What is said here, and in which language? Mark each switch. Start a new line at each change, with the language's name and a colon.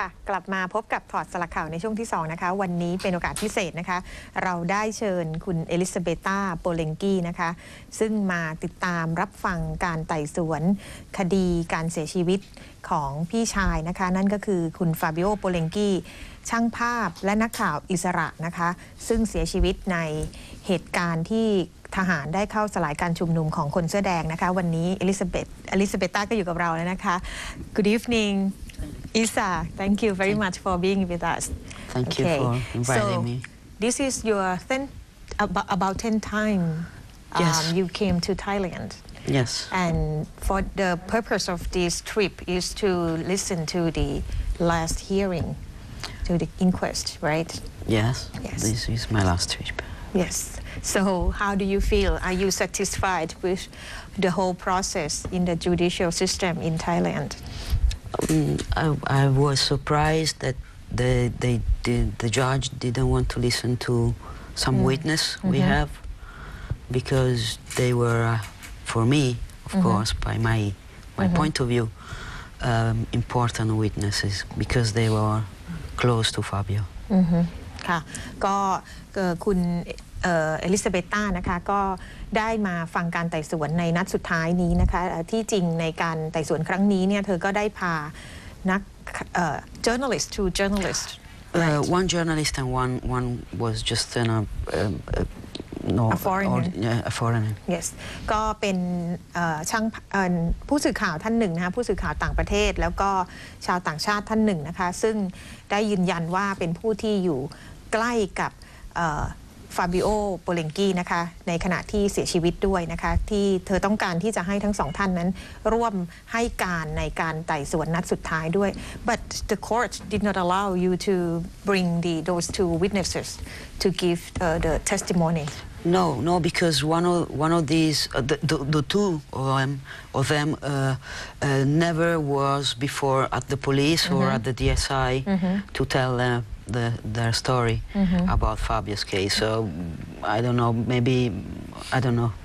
Thai: กลับมาพบกับถอดสลักข่าวในช่วงที่2นะคะวันนี้เป็นโอกาสพิเศษนะคะเราได้เชิญคุณเอลิซาเบต้าโปเลงกี้นะคะซึ่งมาติดตามรับฟังการไต่สวนคดีการเสียชีวิตของพี่ชายนะคะนั่นก็คือคุณฟาบิโอโปเลงกี้ช่างภาพและนักข่าวอิสระนะคะซึ่งเสียชีวิตใน เหตุการณ์ที่ทหารได้เข้าสลายการชุมนุมของคนเสื้อแดงนะคะวันนี้เอลิซาเบต้าก็อยู่กับเราแล้วนะคะ
English: Good eveningIsa, thank you very much for being with us. Thank you for inviting me. This is your about 10 times you came to Thailand. Yes. And for the purpose of this trip is to listen to the last hearing, to the inquest, right? Yes. This is my last trip. Yes. So how do you feel? Are you satisfied with the whole process in the judicial system in Thailand? I was surprised that the judge didn't want to listen to some witness we have, because they were, for me, of course, by my point of view, important witnesses, because they were close to Fabio.
Thai: ค่ะก็คุณเอลิซาเบต้านะคะก็ได้มาฟังการไต่สวนในนัดสุดท้ายนี้นะคะที่จริงในการไต่สวนครั้งนี้เนี่ยเธอก็ได้พานัก
English: journalist to journalist one journalist and one was just in a foreigner
Thai: yes ก็เป็นช่างผู้สื่อข่าวท่านหนึ่งนะคะผู้สื่อข่าวต่างประเทศแล้วก็ชาวต่างชาติท่านหนึ่งนะคะซึ่งได้ยืนยันว่าเป็นผู้ที่อยู่ใกล้กับฟาบิโอโปเลงกี้นะคะในขณะที่เสียชีวิตด้วยนะคะที่เธอต้องการที่จะให้ทั้งสองท่านนั้นร่วมให้การในการไต่สวนนัดสุดท้ายด้วย
English: but the court did not allow you to bring those two witnesses to give the testimony no because one of these the two of them never was before at the police or at the DSI to tell themtheir story about Fabio's case. So I don't know, maybe, I don't know.